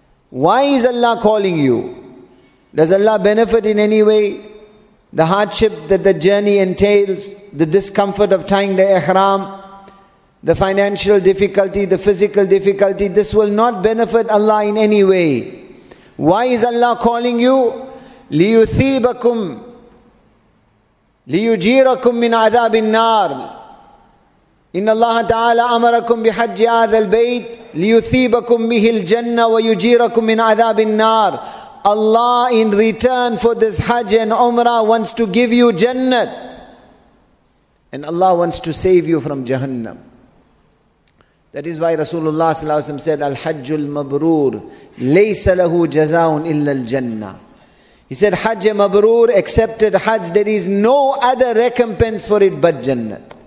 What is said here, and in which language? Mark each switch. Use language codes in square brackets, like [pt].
[en] Why is Allah calling you? Does Allah benefit in any way? The hardship that the journey entails, the discomfort of tying the ihram, the financial difficulty, the physical difficulty, this will not benefit Allah in any way. Why is Allah calling you? [ar] لِيُثِيبَكُمْ لِيُجِيرَكُمْ مِنْ عَذَابِ النَّارِ إِنَّ اللَّهَ تَعَالَى أَمَرَكُمْ بِحَجِّ هَذَا الْبَيْتِ لِيُثِيبَكُمْ بِهِ الْجَنَّةِ وَيُجِيرَكُمْ مِنْ عَذَابِ النَّارِ [en] Allah in return for this Hajj and Umrah wants to give you Jannat. And Allah wants to save you from Jahannam. That is why Rasulullah sallallahu alayhi wa sallam said, [ar] الْحَجُّ الْمَبْرُورُ لَيْسَ لَهُ جَزَاءٌ إِلَّا الْجَنَّةِ [en] He said, Hajj Mabrur, accepted Hajj, there is no other recompense for it but Jannat.